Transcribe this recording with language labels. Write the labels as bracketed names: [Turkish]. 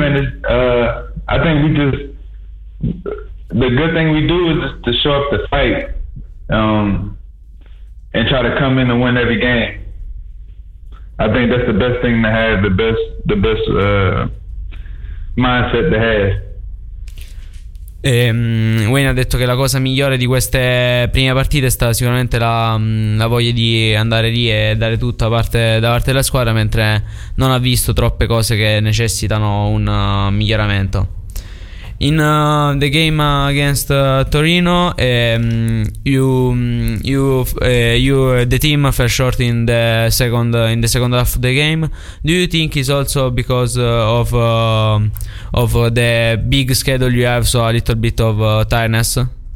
[English] And I think we just, the good thing we do is just to show up to fight and try to come in and win every game. I think that's the best thing to have, the best mindset to have. [Italian] Wayne ha detto che la cosa migliore di queste prime partite è stata sicuramente la voglia di andare lì e dare tutto da parte della squadra, mentre non ha visto troppe cose che necessitano un miglioramento. [English] In the game against Torino, the team fell short in the second half of the game. Do you think it's also because of the big schedule you have, so a little bit of tiredness?